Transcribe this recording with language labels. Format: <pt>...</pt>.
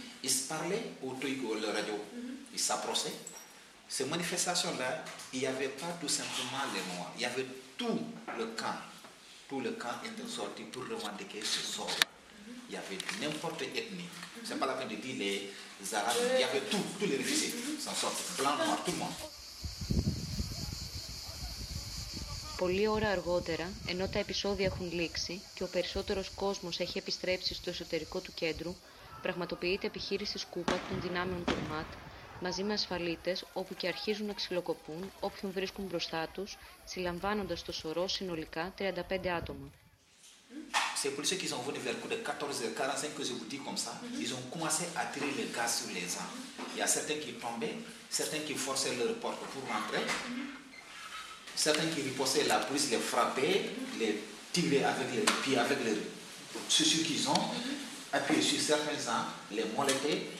<fr>Ils se parlaient autour de la radio, ils s'approchaient. Ces manifestations-là, il n'y avait pas tout simplement les Noirs, il y avait tout le camp était sorti pour revendiquer ce sort. Il y avait n'importe quelle ethnie, c'est pas la peine de dire les Arabes, il y avait tous les réfugiés, s'en sortent, blanc, noir, tout le monde.</fr> <el>Πολλή ώρα αργότερα, ενώ τα επεισόδια έχουν λήξει και ο περισσότερος κόσμος έχει επιστρέψει στο εσωτερικό του κέντρου, πραγματοποιείται επιχείρηση σκούπα των δυνάμεων του ΜΑΤ μαζί με ασφαλίτες, όπου και αρχίζουν να ξυλοκοπούν όποιον βρίσκουν μπροστά τους, συλλαμβάνοντας το σωρό συνολικά 35 άτομα.</el> <fr>Ces policiers qui sont venus vers 14h45 que je vous dis comme ça, ils ont commencé à tirer le gaz sur les gens. Il y a certains qui tombaient, certains qui forçaient leur porte pour rentrer. Certains qui ripostaient, la police les frappait, les tirait avec les pieds, avec les chaussures qu'ils ont, appuyé sur certains gens, les molettaient.</fr>